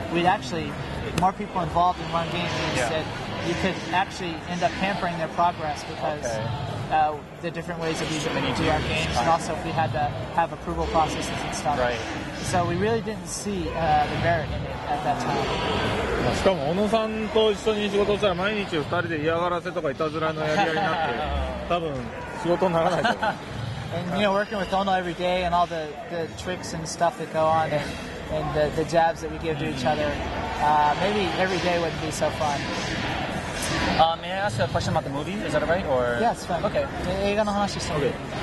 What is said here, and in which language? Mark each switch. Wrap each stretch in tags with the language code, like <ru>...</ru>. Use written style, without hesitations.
<en>We'd actually, more people involved in one game means that you could actually end up hampering their progress because the different ways of using them to do our games, and also if we had to have approval processes and stuff. Right. So we really didn't see the merit in it at that time.</en> <ja>しかも小野さんと一緒に仕事したら毎日2人で嫌がらせとかいたずらのやり合いになって、多分仕事にならないと思う。</ja> <en>And, you know, working with Ono every day and all the tricks and stuff that go on and the jabs that we give to each other, maybe every day wouldn't be so fun. May I ask a question about the movie? Is that right? Or... Yes, fine. Okay.</en> <ja>映画の話してみて。</ja>